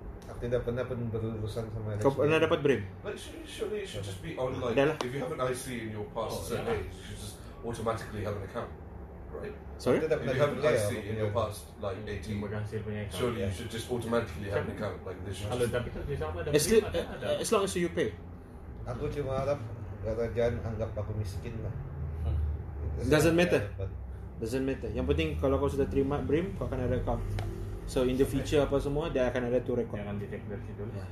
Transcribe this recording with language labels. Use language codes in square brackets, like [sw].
[ms] Aku tidak pernah pun berurusan sama LHDN. Kau pernah dapat BRIM? [en] But surely it should just be online. If you have an IC in your past certain age, you should just automatically have an account, right? Sorry? If you have an IC in your past, like 18, surely you should just automatically have an account. Like this should just... As long as you pay. [ms] Aku cuma harap kerajaan anggap aku miskin lah. [en] Doesn't matter. Doesn't matter. [ms] Yang penting kalau kau sudah terima BRIM, kau akan ada account. [en] So in the future [ms] apa semua, dia akan ada [en] to record. [ms] Jangan detect dari situ.